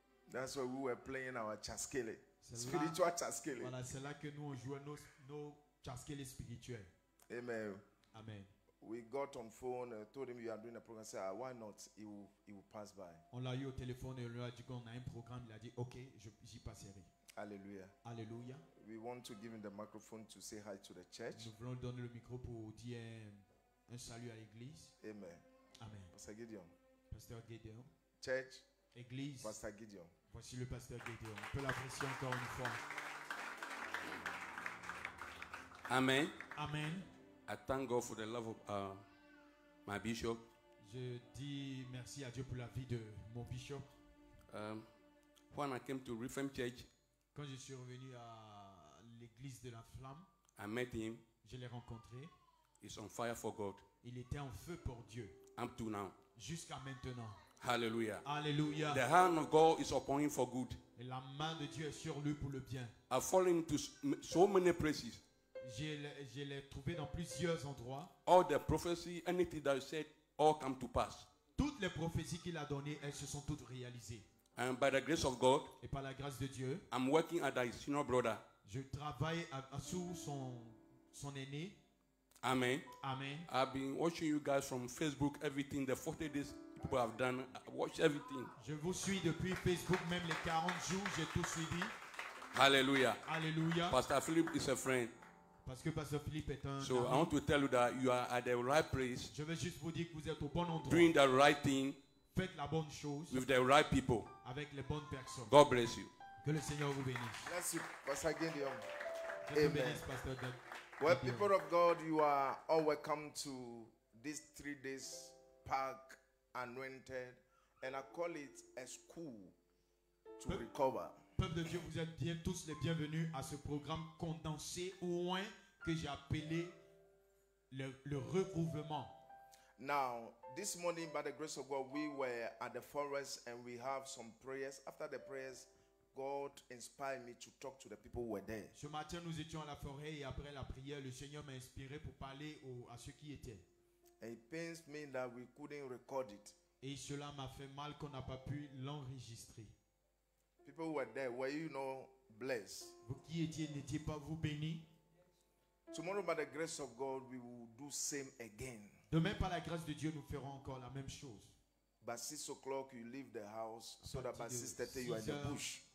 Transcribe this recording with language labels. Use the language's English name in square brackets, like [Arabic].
[English] That's where we were playing our chaskele, spiritual chaskele. [French] Voilà, c'est là que nous on jouait nos chaskele spirituels. [English] Amen. [French] Amen. [English] We got on phone, told him you are doing a program. Said, why not? He will pass by. [French] On l'a eu au téléphone et on lui a dit qu'on a un programme. Il a dit, ok, j'y passerai. [English] Hallelujah. [French] Hallelujah. [English] We want to give him the microphone to say hi to the church. [French] Nous voulons lui donner le micro pour dire un salut à l'église. [English] Amen. [French] Amen. [English] Pastor Gideon. Pastor Gideon. Church. [French] Église. [English] Pastor Gideon. [French] Voici le pasteur Gideon. On peut l'apprécier encore une fois. [English] Amen. [French] Amen. [English] I thank God for the love of my bishop. [French] Je dis merci à Dieu pour la vie de mon bishop. [English] When I came to Reformed Church, [French] quand je suis revenu à l'église de la flamme, [English] I met him. [French] Je l'ai rencontré. [English] He's on fire for God. [French] Il était en feu pour Dieu. [English] Up to now. [French] Jusqu'à maintenant. [English] Hallelujah. [French] Hallelujah. [English] The hand of God is upon him for good. [French] Et la main de Dieu est sur lui pour le bien. [English] I fall into so many places. [French] Je l'ai trouvé dans plusieurs endroits. [English] All the prophecy, anything that he said, all come to pass. [French] Toutes les prophéties qu'il a données, elles se sont toutes réalisées. [English] And by the grace of God, [French] et par la grâce de Dieu, [English] I'm working at his senior brother. [French] Je travaille sous son aîné. [English] Amen. [French] Amen. [English] I've been watching you guys from Facebook, everything, the 40 days people have done. I watch everything. [French] Je vous suis depuis Facebook, même les 40 jours, j'ai tout suivi. [English] Hallelujah. [French] Hallelujah. [English] Pastor Philip is a friend. [French] Parce que Pastor Philippe est un [English] so [French] ami. [English] I want to tell you that you are at the right place. [French] Je veux juste vous dire que vous êtes au bon endroit. [English] Doing the right thing. [French] Faites la bonne chose. [English] With the right people. [French] Avec les bonnes personnes. [English] God bless you. [French] Que le Seigneur vous bénisse. [English] Bless you, Pastor Gideon. [French] Je vous bénisse, Pastor Gideon. [English] Well, people of God, you are all welcome to this 3 days park anointed, and I call it a school to recover. [French] Peuple de Dieu, vous êtes bien tous les bienvenus à ce programme condensé ou moins que j'ai appelé le recouvrement. [English] Now, this morning, by the grace of God, we were at the forest and we have some prayers. After the prayers, God inspired me to talk to the people who were there. [French] Ce matin, nous étions à la forêt et après la prière, le Seigneur m'a inspiré pour parler à ceux qui étaient. [English] And it pains me that we couldn't record it. [French] Et cela m'a fait mal qu'on n'a pas pu l'enregistrer. [English] People who were there, were you not blessed? [French] Vous qui étiez, n'étiez pas vous bénis? [English] Tomorrow, by the grace of God, we will do same again. [French] Demain, par la grâce de Dieu, nous ferons encore la même chose. [English] By 6 o'clock, you leave the house so that by 6:30 you are in the bush.